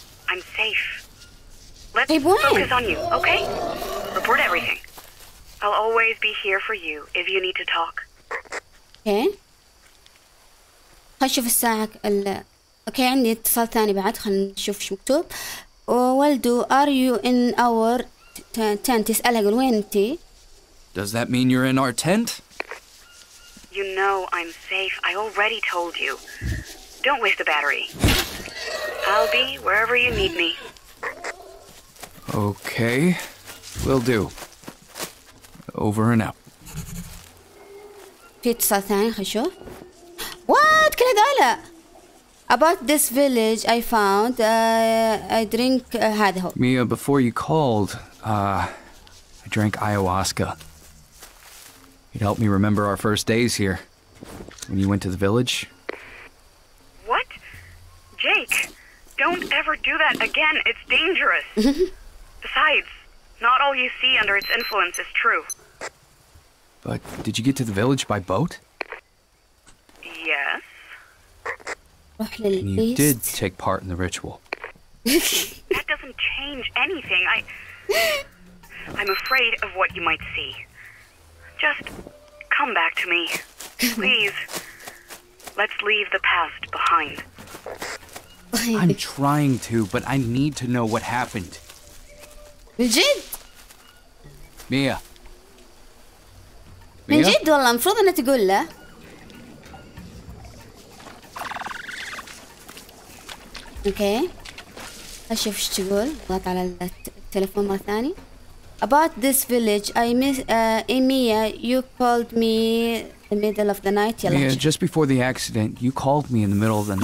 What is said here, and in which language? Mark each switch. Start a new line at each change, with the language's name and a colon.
English: I told you, I'm safe. Let's focus on you, okay? Report everything. I'll always be here for you if you need to talk. Okay.
Arabic: خلنا نشوف الساعة. اوكي عندي اتصال ثاني بعد، خلنا نشوف شو مكتوب. والدو،
English: are you in our tent?
Arabic: اسألها قول وين انتي.
English: Does that mean you're in our tent? You know I'm safe. I already told you. Don't waste the battery. I'll be wherever you need me. Okay, will do. Over and out.
Arabic: في اتصال ثاني، خلينا نشوف.
English: What
Arabic: كل هذولا؟
English: About this village I found. I drink
Arabic: هذا هو.
English: Mia, before you called, I drank ayahuasca. It helped me remember our first days here. When you went to the village. Jake, don't ever do that again. It's dangerous. Besides, not all you see under its influence is true. But did you get to the village by boat? Yes. And you did take part in the ritual. That doesn't change anything. I'm afraid of what you might see. Just come back to me. Please, let's leave the past behind. I'm trying to, but I need to know what happened.
Arabic: بجد؟ ميا. من جد والله، المفروض انها تقول له. اوكي. اشوف ايش تقول، اضغط على التليفون مرة ثانية.
English: About this village, I miss Emiya, you called me in the middle of the night. Yeah, just before the accident, you called me in the middle of the night.